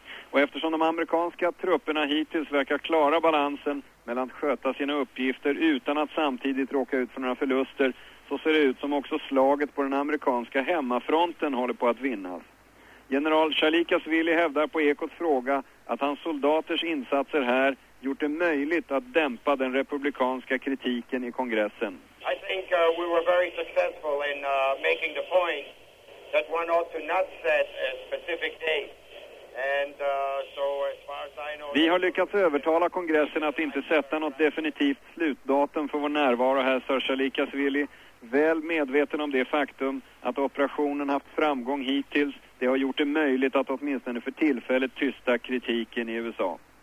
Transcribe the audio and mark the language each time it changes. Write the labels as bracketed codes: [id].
[sv] Och eftersom de amerikanska trupperna hittills verkar klara balansen mellan att sköta sina uppgifter utan att samtidigt råka ut för några förluster så ser det ut som också slaget på den amerikanska hemmafronten håller på att vinnas. General Shalikasvili hävdar på Ekots fråga att hans soldaters insatser här gjort det möjligt att dämpa den republikanska kritiken i kongressen. [en] I think we were very successful in making the point that one ought to not set a specific date. And so as far as I know, [sv] vi har lyckats övertala kongressen att inte sätta något definitivt slutdatum för vår närvaro här, sa Shalikasvili, väl medveten om det faktum att operationen haft framgång hittills. Det har gjort det möjligt att åtminstone för tillfället tysta kritiken i USA.